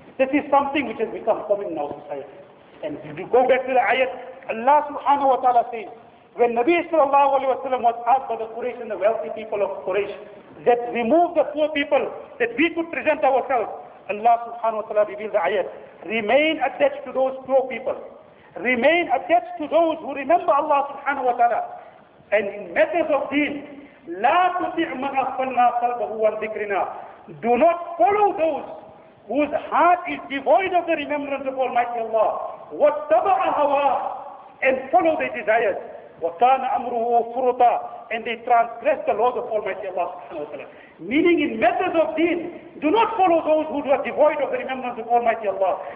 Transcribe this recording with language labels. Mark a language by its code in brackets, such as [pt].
[en] This is something which has become common in our society. And if you go back to the ayat, Allah subhanahu wa ta'ala says, when Nabi sallallahu alayhi wa sallam was asked by the Quraysh and the wealthy people of Quraysh, that remove the poor people, that we could present ourselves, Allah subhanahu wa ta'ala revealed the ayat, remain attached to those poor people. Remain attached to those who remember Allah subhanahu wa ta'ala. And in matters of deen, [ar] لا تطع من أغفلنا قلبه عن ذكرنا. [en] Do not follow those whose heart is devoid of the remembrance of Almighty Allah. [ar] واتبع هواه. [en] And follow their desires. [ar] وكان أمره فرطا. [en] And they transgress the laws of Almighty Allah subhanahu wa ta'ala. Meaning in matters of deen, do not follow those who are devoid of the remembrance of Almighty Allah.